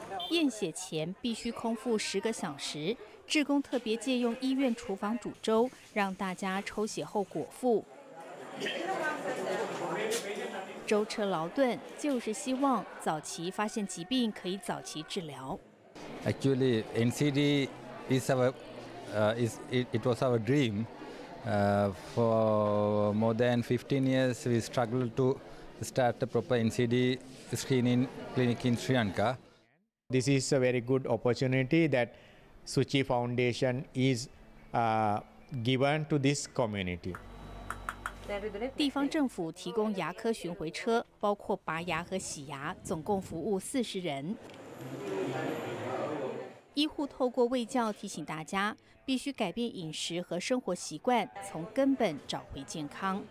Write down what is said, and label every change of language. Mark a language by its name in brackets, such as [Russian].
[Chinese] 验血前必须空腹十个小时，志工特别借用医院厨房煮粥，让大家抽血后果腹。舟车劳顿，就是希望早期发现疾病，可以早期治疗。 [English] Actually, NCD is our, it was our dream. For more than 15 years, we struggled to start a proper NCD screening clinic in Sri Lanka. This is a very good opportunity that Suchi Foundation is given to this community. [Chinese] 地方政府提供牙科巡回车，包括拔牙和洗牙，总共服务40人。医护透过卫教提醒大家，必须改变饮食和生活习惯，从根本找回健康。